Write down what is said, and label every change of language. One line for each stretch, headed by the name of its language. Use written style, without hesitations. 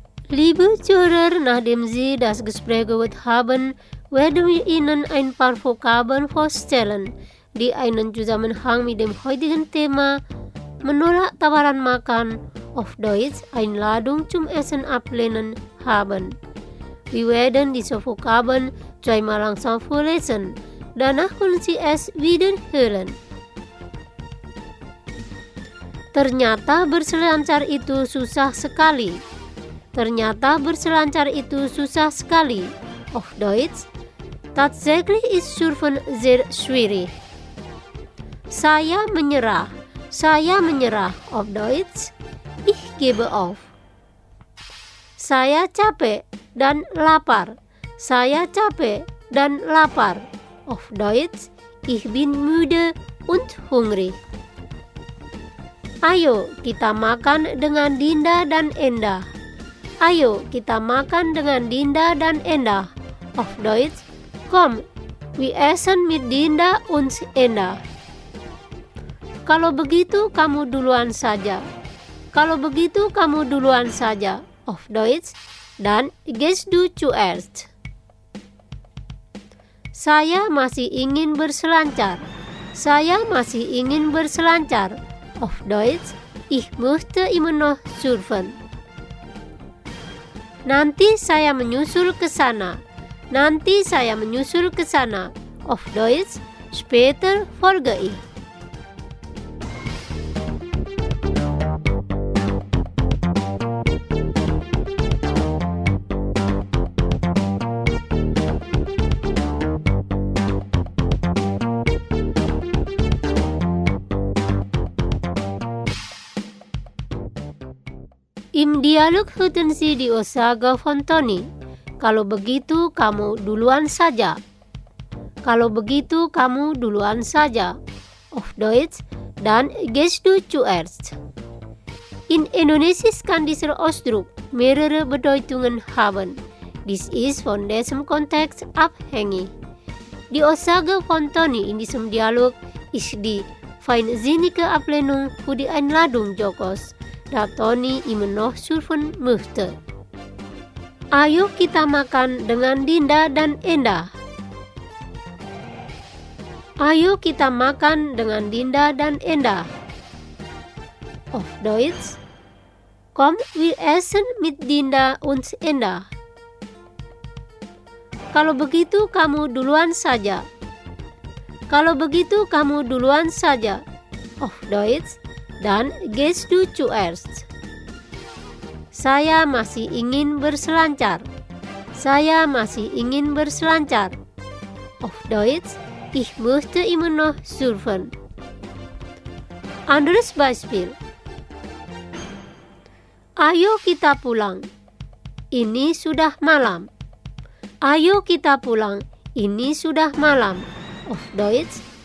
German: Liebe Zuhörer, nachdem Sie das Gespräch gehört haben, werden wir Ihnen ein paar Vokabeln vorstellen, die einen Zusammenhang mit dem heutigen Thema
Indonesian: Menolak Tawaran Makan
German: auf Deutsch Einladung zum Essen ablehnen haben. Wir werden diese Vokabeln zweimal langsam vorlesen. Danach können Sie es wieder hören.
Indonesian: Ternyata berselancar itu susah sekali. Ternyata berselancar itu susah sekali.
German: Auf Deutsch. Tatsächlich ist surfen sehr schwierig.
Indonesian: Saya menyerah. Saya menyerah.
German: Auf Deutsch. Ich gebe auf.
Indonesian: Saya capek dan lapar. Saya capek dan lapar.
German: Auf Deutsch. Ich bin müde und hungrig.
Indonesian: Ayo kita makan dengan Dinda dan Endah. Ayo kita makan dengan Dinda dan Endah.
German: Auf Deutsch. Komm, wir essen mit Dinda und Endah.
Indonesian: Kalau begitu kamu duluan saja. Kalau begitu kamu duluan saja.
German: Auf Deutsch. Dan gehst du zuerst.
Indonesian: Saya masih ingin berselancar. Saya masih ingin berselancar.
German: Auf Deutsch, ich möchte immer noch surfen.
Indonesian: Nanti saya menyusul ke sana. Nanti saya menyusul ke sana.
German: Auf Deutsch, später folge ich. Im Dialog hören Sie die Aussage von Tony.
Indonesian: Kalau begitu, kamu duluan saja. Kalau begitu, kamu duluan saja.
German: Auf Deutsch. Dan gehst du zuerst. In Indonesisch kann dieser Ausdruck mehrere Bedeutungen haben.
English: This is
German: von diesem Kontext abhängig. Die Aussage von Tony in diesem Dialog ist die feinsinnige Ablehnung für die Einladung Jokos. Da Tony immer noch surfen möchte.
Indonesian: Ayo kita makan dengan Dinda dan Endah. Ayo kita makan dengan Dinda dan Endah.
German: Auf Deutsch. Komm, wir essen mit Dinda und Endah.
Indonesian: Kalau begitu kamu duluan saja. Kalau begitu kamu duluan saja.
German: Auf Deutsch. Dan gehst du zuerst.
Indonesian: Saya masih ingin berselancar. Saya masih ingin berselancar.
German: Auf Deutsch. Ich möchte immer noch surfen. Anderes Beispiel.
Indonesian: Ayo kita pulang. Ini sudah malam. Ayo kita pulang. Ini sudah malam.
German: Auf Deutsch.